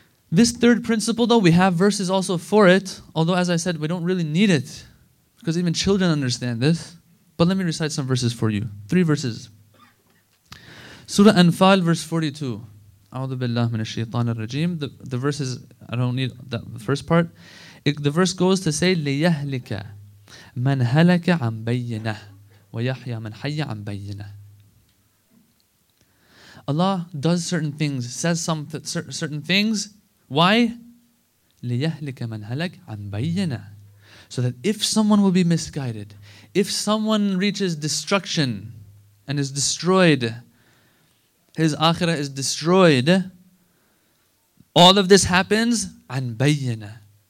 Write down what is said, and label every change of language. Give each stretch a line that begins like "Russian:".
English: This third principle, though, we have verses also for it. Although, as I said, we don't really need it. Because even children understand this. But let me recite some verses for you. Three verses. Surah Anfal, verse 42. A'udhu billahi minash shaitanir rajim. The verses, I don't need that, the first part. The verse goes to say,
Arabic: لِيَهْلِكَ مَنْ هَلَكَ عَنْ بَيِّنَهُ وَيَحْيَ مَنْ حَيَّ عَنْ بَيِّنَهُ.
English: Allah does certain things, says some certain things. Why?
Arabic: لِيَهْلِكَ مَنْ هَلَكْ عَنْ بَيِّنَا.
English: So that if someone will be misguided, if someone reaches destruction and is destroyed, his akhirah is destroyed, all of this happens
Arabic: عَنْ بَيِّنَا.